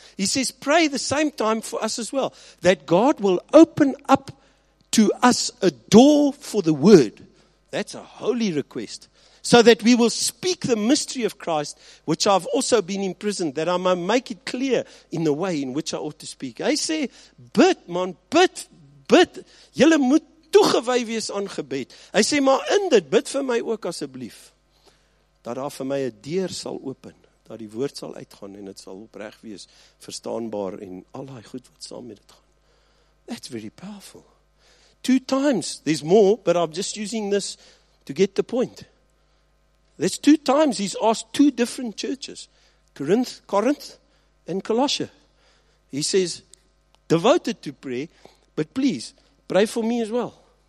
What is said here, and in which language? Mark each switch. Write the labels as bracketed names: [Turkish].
[English] He says, pray the same time for us as well, that God will open up to us a door for the word. That's a holy request. So that we will speak the mystery of Christ, which I've also been imprisoned, that I might make it clear in the way in which I ought to speak. [Afrikaans] Hy sê, bid man, bid. Julle moet toegewy wees aan gebed. Hy sê, maar in dit, bid vir my ook asseblief, dat daar vir my 'n deur sal open, dat die woord sal uitgaan en het sal opreg wees, verstaanbaar en al die goed wat saam met het gaan. [English] That's very powerful. Two times, there's more, but I'm just using this to get the point. There's two times he's asked two different churches, Corinth and Colossae. He says, devoted to prayer, but please, pray for me as well.